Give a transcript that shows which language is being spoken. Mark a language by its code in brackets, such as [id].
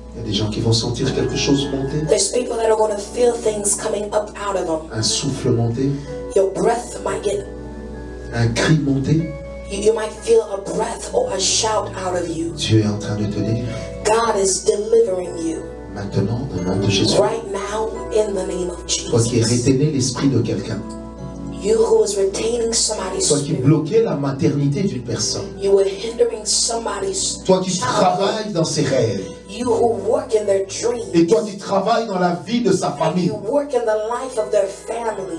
[fr] Il y a des gens qui vont sentir quelque chose monter. [en] There's people that are going to feel things coming up out of them. [fr] Un souffle monter. [en] Your breath might get. [fr] Un cri monter. [en] You might feel a breath or a shout out of you. [fr] Dieu est en train de te délivrer. [en] God is delivering you. [fr] Maintenant, au nom de Jésus. [en] Right now, in the name of Jesus. [fr] Toi qui retenais l'esprit de quelqu'un. [en] You who was retaining somebody's spirit. [fr] Toi qui bloquais la maternité d'une personne. [en] You were hindering somebody's [fr] toi qui travailles dans ses rêves. [en] You who work in their dreams. [fr] Et toi qui travailles dans la vie de sa famille. [en] You work in the life of their family.